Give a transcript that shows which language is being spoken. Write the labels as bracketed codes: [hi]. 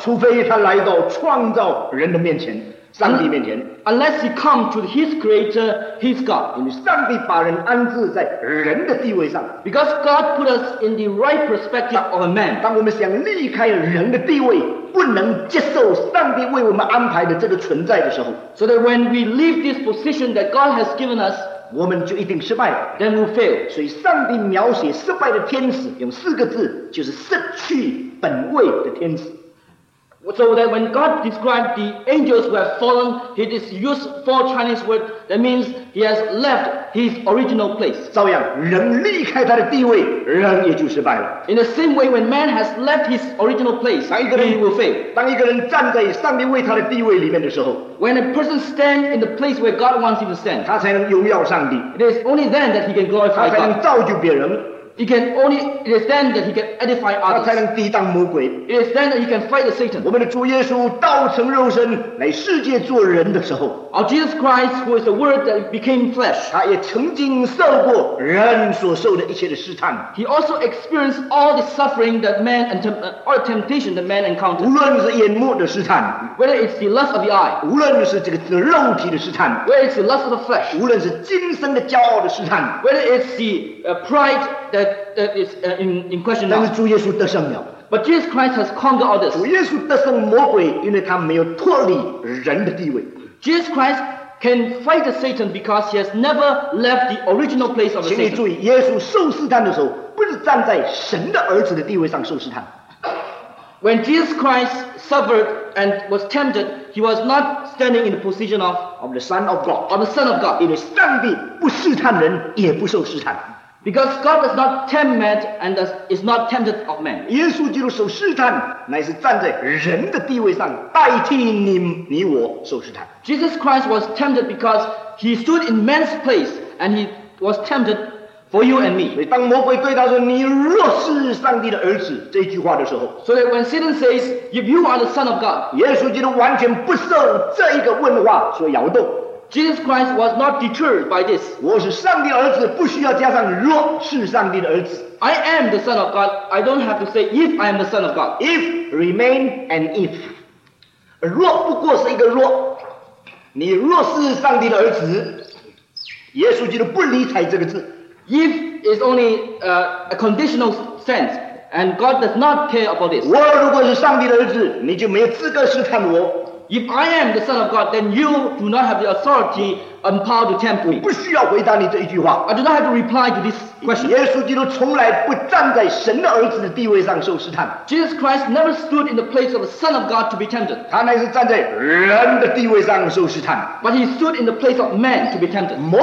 [zh] 除非他来到创造人的面前, 上帝面前. [en] Unless he come to his creator, his God. [zh] 因为上帝把人安置在人的地位上. [en] Because God put us in the right perspective of a man. [zh] 当我们想离开人的地位, 不能接受上帝为我们安排的这个存在的时候, [en] so that when we leave this position that God has given us, [zh] 我们就一定失败了. [en] Then we fail. [zh] 所以上帝描写失败的天使用四个字, 就是失去本位的天使. [en] So that when God described the angels who have fallen, he just used four Chinese words. That means he has left his original place. [zh] 照样，人离开他的地位，人也就失败了. [en] In the same way, when man has left his original place, he will fail. [zh] 当一个人站在上帝为他的地位里面的时候, [en] when a person stands in the place where God wants him to stand, [zh] 他才能荣耀上帝. [en] It is only then that he can glorify God. [zh] 他才能造就别人. [en] He can only, it is then that he can edify others. [zh] 他才能抵挡魔鬼. [en] It is then that he can fight the Satan. [zh] 我们的主耶稣道成肉身来世界做人的时候, [en] our Jesus Christ, who is the Word that became flesh, [zh] 他也曾经受过人所受的一切的试探. [en] He also experienced all the suffering that man and all the temptation that man encountered. [zh] 无论是眼目的试探, [en] whether it's the lust of the eye, [zh] 无论是这个肉体的试探, [en] whether it's the lust of the flesh, [zh] 无论是今生的骄傲的试探, [en] whether it's the pride that is in question now. [zh] 但是主耶稣得胜了. [en] But Jesus Christ has conquered all this. [zh] 主耶稣得胜魔鬼, 因为他没有脱离人的地位. [en] Jesus Christ can fight the Satan because he has never left the original place of the Satan. [zh] 请你注意, 耶稣受试探的时候, 不是站在神的儿子的地位上受试探. [en] When Jesus Christ suffered and was tempted, he was not standing in the position of the Son of God. Of the Son of God. [zh] 因为上帝不试探人也不受试探. [en] Because God does not tempt man and is not tempted of man. [zh] 耶稣基督受试探, 乃是站在人的地位上, 代替你我受试探. [en] Jesus Christ was tempted because he stood in man's place and he was tempted for you and me. [zh] 所以当魔鬼对他说, 你若是上帝的儿子, 这句话的时候, [en] so that when Satan says, if you are the Son of God, [zh] 耶稣基督完全不受这一个问话所摇动. [en] Jesus Christ was not deterred by this. [zh] 我是上帝儿子, 不需要加上若是上帝的儿子. [en] I am the Son of God. I don't have to say if I am the Son of God. If remain an if. [zh] 若不过是一个若. 你若是上帝的儿子, 耶稣基督不理睬这个字. [en] If is only a conditional sense, and God does not care about this. [zh] 我如果是上帝的儿子, 你就没有资格试探我. [en] If I am the Son of God, then you do not have the authority and power to tempt me. [zh] 不需要回答你这一句话. [en] I do not have to reply to this question. [zh] 耶稣基督从来不站在神的儿子的地位上受试探. [en] Jesus Christ never stood in the place of the Son of God to be tempted. [zh] 他乃是站在人的地位上受试探. [en] But he stood in the place of man to be tempted.